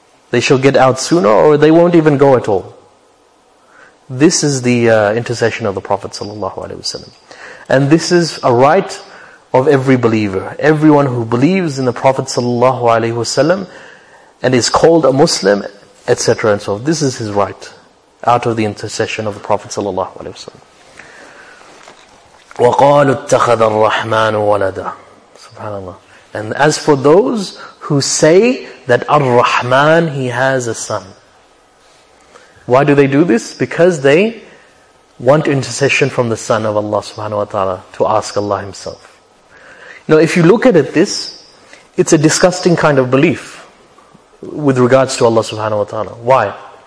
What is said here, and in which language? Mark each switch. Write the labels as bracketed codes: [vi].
[en] They shall get out sooner or they won't even go at all. This is the intercession of the Prophet sallallahu alaihi wasallam. And this is a right of every believer. Everyone who believes in the Prophet sallallahu alaihi wasallam and is called a Muslim, etc. and so on. This is his right out of the intercession of the Prophet sallallahu alaihi wasallam. [ar] وقالوا اتخذ الرحمن ولدا. Subhanallah. [en] And as for those who say that Ar-Rahman, he has a son. Why do they do this? Because they want intercession from the Son of Allah subhanahu wa ta'ala to ask Allah Himself. Now if you look at it, this, it's a disgusting kind of belief with regards to Allah subhanahu wa ta'ala. Why?